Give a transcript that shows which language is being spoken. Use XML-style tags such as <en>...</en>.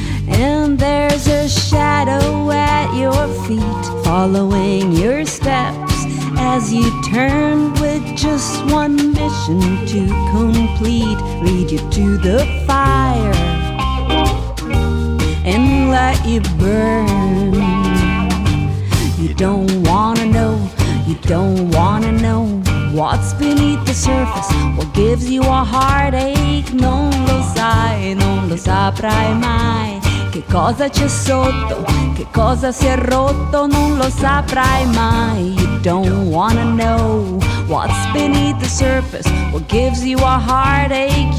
<en>And there's a shadow at your feet, following your steps as you turn, with just one mission to complete: lead you to the fire and let you burn. You don't wanna know, you don't wanna know what's beneath the surface, what gives you a heartache.</en> <it>Non lo sai, non lo saprai mai. Che cosa c'è sotto, che cosa si è rotto, non lo saprai mai.</it> <en>You don't wanna know what's beneath the surface, what gives you a heartache.</en>